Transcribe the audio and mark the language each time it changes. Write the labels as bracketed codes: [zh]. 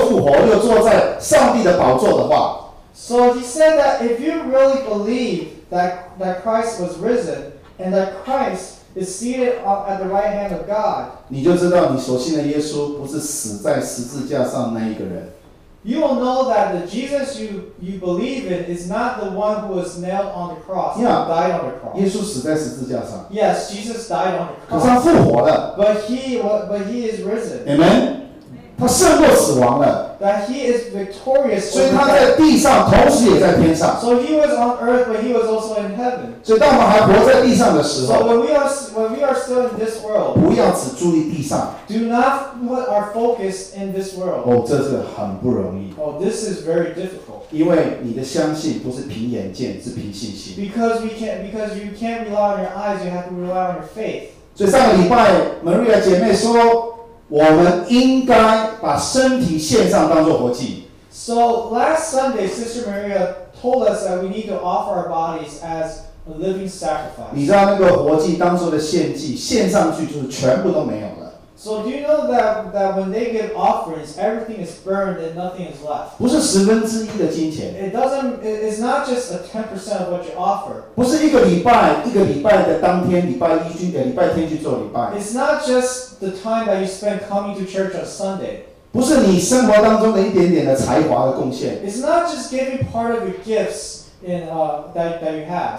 [zh] 她说，如果你真正相信主耶稣已经复活了，死了又复活，又坐在上帝的宝座的话。 [en] So he said that if you really believe that Christ was risen and that Christ is seated at the right hand of God, [zh] 你就知道你所信的耶稣不是死在十字架上那一个人。 [en] You will know that the Jesus you believe in is not the one who was nailed on the cross, yeah, who died on the cross. [zh] 耶稣死在十字架上。 [en] Yes, Jesus died on the cross. [zh] 可是他复活了。 [en] But he is risen. [zh] Amen. 他胜过死亡了。 [en] That he is victorious. [zh] 所以他在地上，同时也在天上。 [en] So he was on earth, but he was also in heaven. [zh] 所以当我们还活在地上的时候。 [en] So when we are still in this world, [zh] 不要只注意地上。 [en] Do not put our focus in this world. [zh] 哦，这是很不容易。 [en] Oh, this is very difficult. [zh] 因为你的相信不是凭眼见，是凭信心。 [en] Because you can't rely on your eyes, you have to rely on your faith. [zh] 所以上个礼拜 Maria 姐妹说， 我们应该把身体献上当作活祭。 [en] So last Sunday, Sister Maria told us that we need to offer our bodies as a living sacrifice. [zh] 你知道那个活祭当作的献祭，献上去就是全部都没有了。 [en] So do you know that when they give offerings, everything is burned and nothing is left? [zh] 不是十分之一的金钱。 [en] It's not just a 10% of what you offer. [zh] 不是一个礼拜的当天，礼拜天去做礼拜。 [en] It's not just the time that you spend coming to church on Sunday. [zh] 不是你生活当中的一点点的才华的贡献。 [en] It's not just giving part of your gifts that you have.